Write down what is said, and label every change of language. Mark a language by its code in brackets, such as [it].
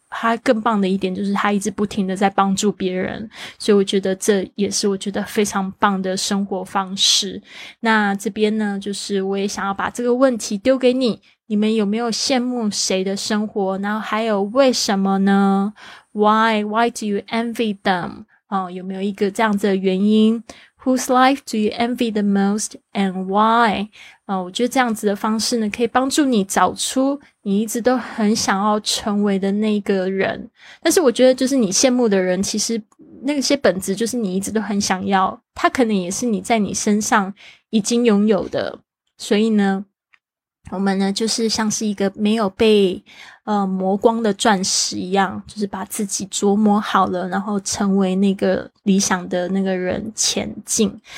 [zh] 他更棒的一点就是他一直不停的在帮助别人，所以我觉得这也是我觉得非常棒的生活方式。那这边呢，就是我也想要把这个问题丢给你，你们有没有羡慕谁的生活？然后还有为什么呢？ [en] Why do you envy them? [zh] 有没有一个这样子的原因？ [en] Whose life do you envy the most and why? [zh] 我觉得这样子的方式呢，可以帮助你找出你一直都很想要成为的那个人。但是我觉得就是你羡慕的人，其实那些本质就是你一直都很想要，他可能也是你在你身上已经拥有的。所以呢，我们呢就是像是一个没有被磨光的钻石一样，就是把自己琢磨好了，然后成为那个理想的那个人前进。